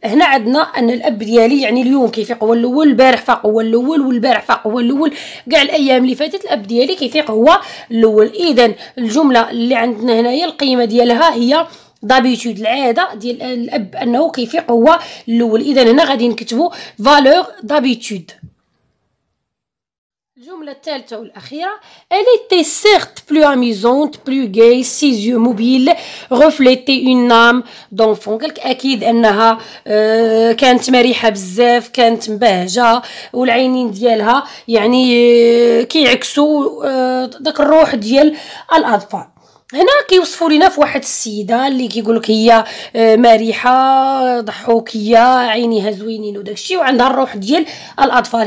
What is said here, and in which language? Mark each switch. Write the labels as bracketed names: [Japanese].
[Arabic] هنا عندنا ان الاب ديالي يعني اليوم كيفيق هو الاول، البارح فاق هو الاول، والبارح فاق هو الاول، كاع الايام اللي فاتت الاب ديالي كيفيق هو الاول. اذا الجمله اللي عندنا هنايا القيمه ديالها هي دابيتود، العاده ديال الاب انه كيفيق هو الاول. اذا هنا غادي نكتبوا [French] فالور دابيتود. [Arabic] الجمله الثالثه والاخيره، [French] elle était certes plus amusante plus gaie ses yeux mobiles reflétaient une âme d'enfant. [Arabic] قالك اكيد انها كانت مريحه بزاف، كانت مبهجه، والعينين ديالها يعني كيعكسوا داك الروح ديال الاطفال. هنا كيوصفوا لنا في واحد السيده اللي كيقول لك هي مريحه ضحوكيه عينيها زوينين وداكشي وعندها الروح ديال الاطفال.